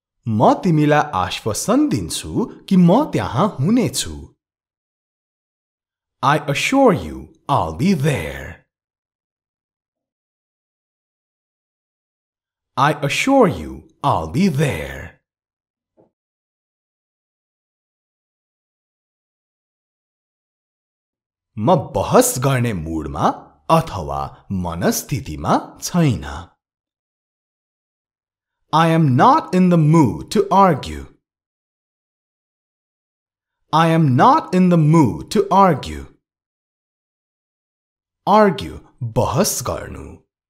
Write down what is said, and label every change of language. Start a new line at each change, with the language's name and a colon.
Nepali: म तिमीलाई आश्वासन दिन्छु कि म त्यहाँ हुनेछु.
English: I assure you, I'll be there. I assure you, I'll be there.
Nepali: म बहस गर्ने मूडमा अथवा मनस्थितिमा छैन.
English: I am not in the mood to argue. I am not in the mood to argue.
Nepali: Argue, bahas garnu.